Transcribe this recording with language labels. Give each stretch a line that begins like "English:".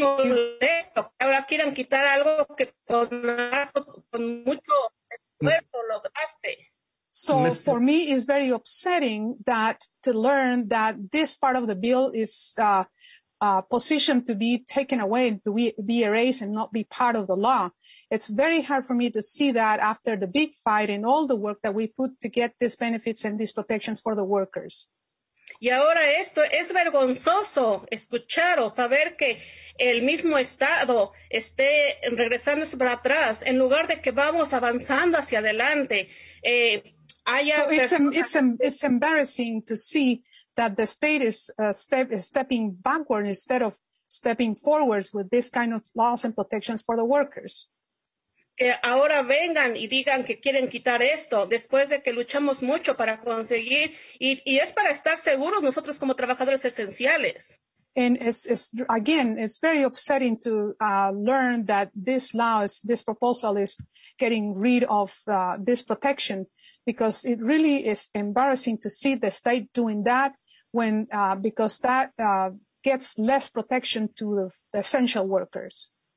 Spanish: ahora quieren quitar algo que con mucho esfuerzo lograste.
English: So for me, it's very upsetting that to learn that this part of the bill is positioned to be taken away, to be erased and not be part of the law. It's very hard for me to see that after the big fight and all the work that we put to get these benefits and these protections for the workers.
Spanish: Y ahora esto es vergonzoso escuchar o saber que el mismo Estado esté regresando para atrás en lugar de que vamos avanzando hacia adelante.
English: It's embarrassing to see that the state is stepping backward instead of stepping forwards with this kind of laws and protections for the workers.
Spanish: Que ahora vengan y digan que quieren quitar esto después de que luchamos mucho para conseguir, y es para estar seguros nosotros como trabajadores esenciales.
English: And it's very upsetting to learn that this proposal is getting rid of this protection, because it really is embarrassing to see the state doing that because that gets less protection to the essential workers.